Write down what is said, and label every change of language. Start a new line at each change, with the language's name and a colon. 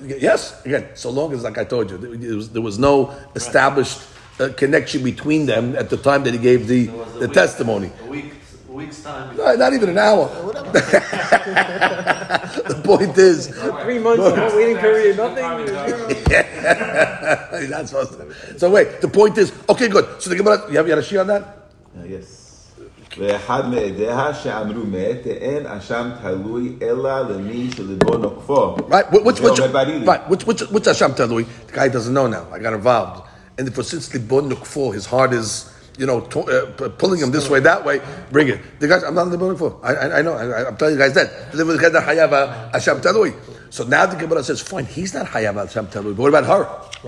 English: Yes, again, so long as, like I told you, there was no established connection between them at the time that he gave the testimony. A week's time. No, not even an hour. The point is, 3 months of waiting period, nothing. That's awesome. So wait, the point is, okay, good. So the Gemara, you have Yarashi on that? Yes.
Hebrew: ואחד מעדיה שאמרו מת, אין אשם תלוי אלא למי שלבו נוקפו.
English: Right, which אשם תלוי? The guy doesn't know now. I got involved. And for since libo nukfo, his heart is, you know, pulling him this way, that way, bring it. The guys, I'm not libo nukfo. I know. I'm telling you guys that. Live with the guy that hayava Hashem Talui. So now the Gemara says, fine, he's not hayava Hashem Talui. But what about her?